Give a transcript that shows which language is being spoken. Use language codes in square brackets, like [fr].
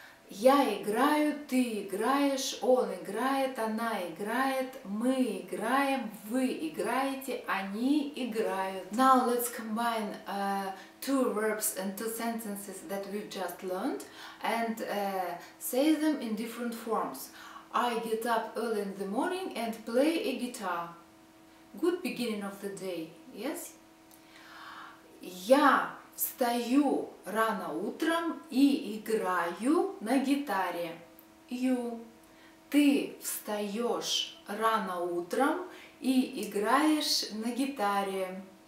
[ru] Я играю, ты играешь, он играет, она играет, мы играем, вы играете, они играют. [en] Now let's combine two verbs and two sentences that we've just learned and say them in different forms. I get up early in the morning and play a guitar. Good beginning of the day, yes? [ru] Я встаю рано утром и играю на гитаре. [en] You. [ru] Ты встаешь рано утром и играешь на гитаре.